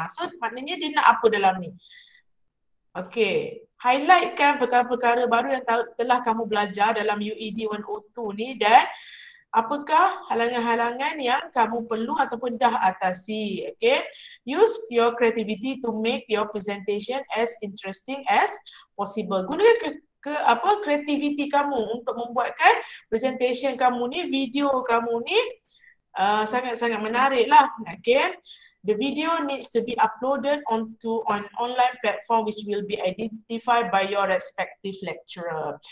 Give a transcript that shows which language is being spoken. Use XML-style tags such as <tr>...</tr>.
<ms>So maknanya dia nak apa dalam ni? Okay, highlightkan perkara-perkara baru yang telah kamu belajar dalam UED 102 ni dan apakah halangan-halangan yang kamu perlu ataupun dah atasi.</ms> <en>Okay, use your creativity to make your presentation as interesting as possible.</en> <ms>Gunakan apa kreativiti kamu untuk membuatkan presentation kamu ni, video kamu ni sangat-sangat menarik lah.</ms> <en>Okay, the video needs to be uploaded onto an online platform which will be identified by your respective lecturer.</en>